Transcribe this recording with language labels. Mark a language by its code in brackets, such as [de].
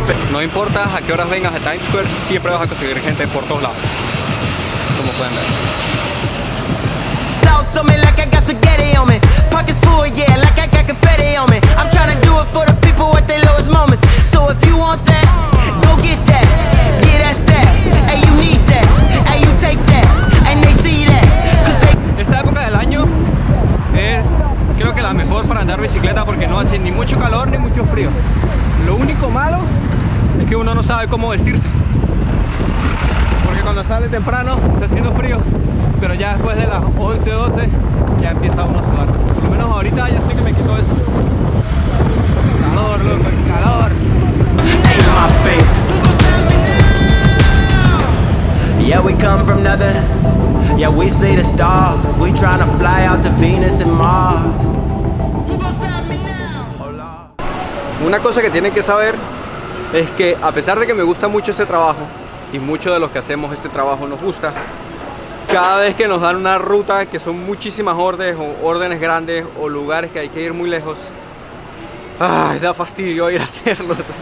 [es] No importa a qué horas vengas a Times Square, siempre vas a conseguir gente por todos lados. Como pueden ver. [en] Talk something like I got spaghetti on me. Pockets full, yeah, like I got confetti on me. I'm trying to do it for the people at their lowest moments. So if you want that, go get that. Yeah, that's that. And you need that. And you take that. And they see that. They... [es] Esta época del año es, creo que la mejor para andar bicicleta porque no hace ni mucho calor ni mucho frío. Lo único malo es que uno no sabe cómo vestirse, porque cuando sale temprano está haciendo frío, pero ya después de las 11 o 12 ya empieza uno a sudar. Por lo menos ahorita ya estoy que me quito eso. Calor, loco, el calor. [en] Hey, my babe. Yeah, we come from nothing. Yeah, we see the stars. We trying to fly out to Venus and Mars. [es] Una cosa que tienen que saber es que a pesar de que me gusta mucho este trabajo y muchos de los que hacemos este trabajo nos gusta, cada vez que nos dan una ruta que son muchísimas órdenes o órdenes grandes o lugares que hay que ir muy lejos, ¡ay, da fastidio ir a hacerlo!